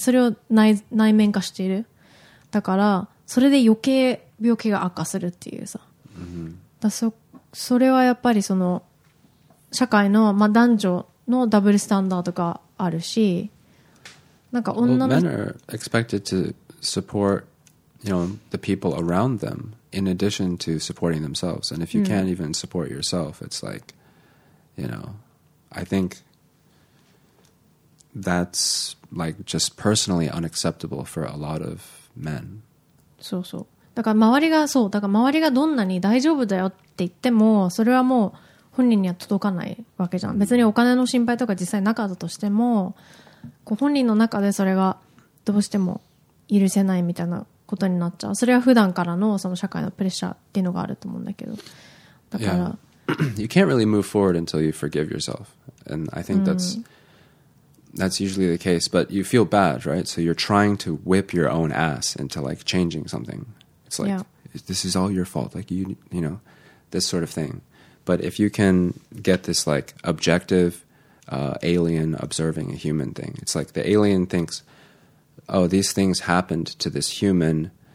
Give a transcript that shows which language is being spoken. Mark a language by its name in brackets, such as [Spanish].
[Japanese] それを内面化している。だから、それで余計病気が悪化するっていうさ。だからそれはやっぱりその、社会の、まあ、男女のダブルスタンダードがあるし、なんか女の、 [English] well, men are expected to support, you know, the people around them in addition to supporting themselves. And if you can't even support yourself, it's like, you know, I think that's like just personally unacceptable for a lot of men. [Japanese] そうそう。だから周りがそう、だから周りがどんなに大丈夫だよってって言ってもそれはもう本人には届かないわけじゃん。別にお金の心配とか実際なかったとしてもこう本人の中でそれがどうしても許せないみたいなことになっちゃう。それは普段からのその社会のプレッシャーっていうのがあると思うんだけど、だから、yeah. [English] You can't really move forward until you forgive yourself. And I think that's usually the case. But you feel bad, right? So you're trying to whip your own ass into like changing something. It's like, yeah. this is all your fault. Like, you know, this sort of thing. But if you can get this like objective alien observing a human thing, it's like the alien thinks, oh, these things happened to this human.